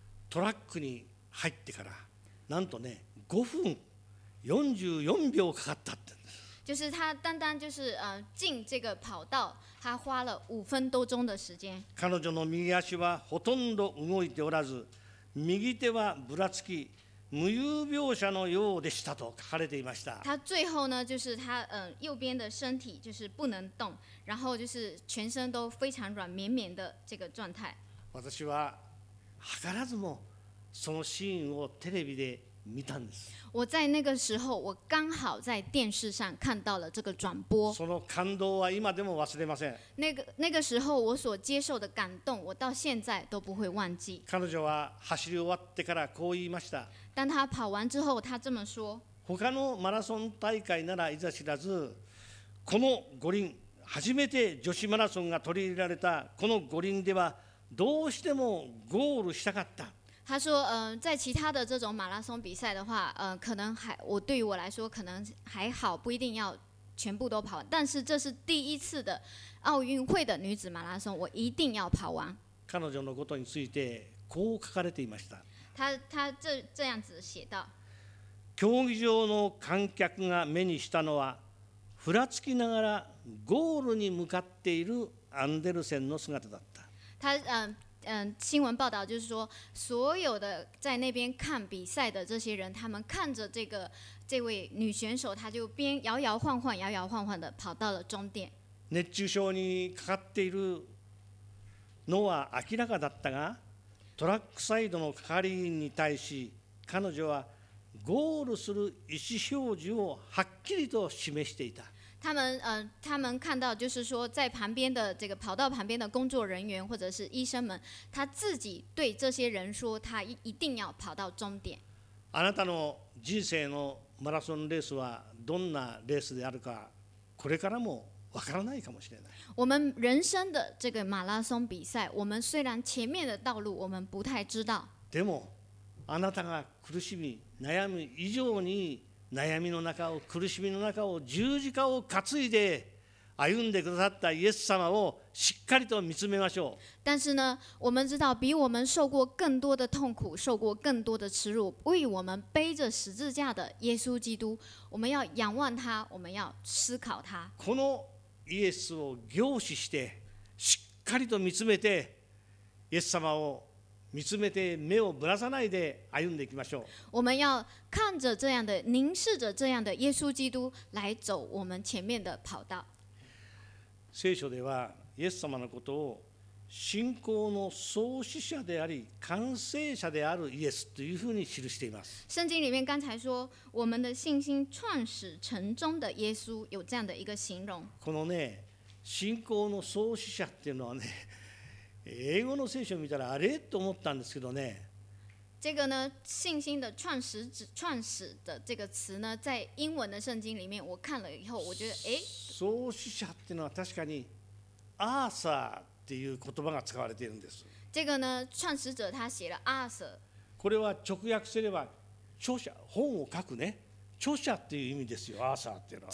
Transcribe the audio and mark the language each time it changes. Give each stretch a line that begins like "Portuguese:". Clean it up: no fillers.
Japanese: トラックに入ってから、なんとね、5分44秒かかったって。
Chinese: 就是他单单就是进这个跑道，他花了五分多钟的时间。
Japanese: 彼女の右足はほとんど動いておらず、右手はぶらつき。無遊病者のようでしたと書かれていました。
Chinese: 他最后呢，就是他右边的身体就是不能动，然后就是全身都非常软绵绵的这个状态。
Japanese: 私は計らずもそのシーンをテレビで見たんです。
Chinese: 我在那个时候，我刚好在电视上看到了这个转播。
Japanese: その感動は今でも忘れません。
Chinese: 那个时候我所接受的感动，我到现在都不会忘记。
Japanese: 彼女は走り終わってからこう言いました。
Chinese: 当他跑完之后，他这么说：
Japanese: 他のマラソン大会ならいざ知らず、この五輪初めて女子マラソンが取り入れられたこの五輪ではどうしてもゴールしたかった。
Chinese: 他说：在其他的这种马拉松比赛的话，可能还我对于我来说可能还好，不一定要全部都跑，但是这是第一次的奥运会的女子马拉松，我一定要跑完。
Japanese: 彼女のことについてこう書かれていました。
Chinese: 他 这样子写道：
Japanese: 競技場の観客が目にしたのはふらつきながらゴールに向かっているアンデルセンの姿だった。
Chinese: 他新闻报道就是说，所有的在那边看比赛的这些人，他们看着这位女选手，他就边摇摇晃晃摇摇晃晃的跑到了终点。
Japanese: 熱中症にかかっているのは明らかだったが、トラックサイドの係員に対し、彼女はゴールする意思表示をはっきりと示していた。
Chinese: 他们看到就是说，在旁边的这个跑道旁边的工作人员或者是医生们，他自己对这些人说，他一定要跑到终点。
Japanese: あなたの人生のマラソンレースはどんなレースであるか、これからも。分からないかもしれない。
Chinese: 我们人生的这个马拉松比赛，我们虽然前面的道路我们不太知道。
Japanese: でも、あなたが苦しみ悩む以上に悩みの中を苦しみの中を十字架を担いで歩んでくださったイエス様をしっかりと見つめましょう。
Chinese: 但是呢，我们知道比我们受过更多的痛苦、受过更多的耻辱、为我们背着十字架的耶稣基督，我们要仰望他，我们要思考他。
Japanese: このイエスを凝視してしっかりと見つめて、イエス様を見つめて目をぶらさないで歩んでいきましょう。
Chinese: 我们要看着这样的、凝视着这样的耶稣基督来走我们前面的跑道。
Japanese: 聖書ではイエス様のことを信仰の創始者であり完成者であるイエスというふうに記しています。
Chinese: 圣经里面刚才说我们的信心创始成终的耶稣，有这样的一个形容。
Japanese: このね、信仰の創始者っていうのはね、英語の聖書を見たらあれと思ったんですけどね、
Chinese: 这个呢，信心的创始的这个词呢，在英文的圣经里面，我看了以后，我觉得，哎，
Japanese: 創始者っていうのは確かにアーサーっていう言葉が使われているんです。
Chinese: 这个呢，创始者他写了アーサー。
Japanese: これは直訳すれば著者、本を書くね、著者っていう意味ですよ、アーサーっていうのは。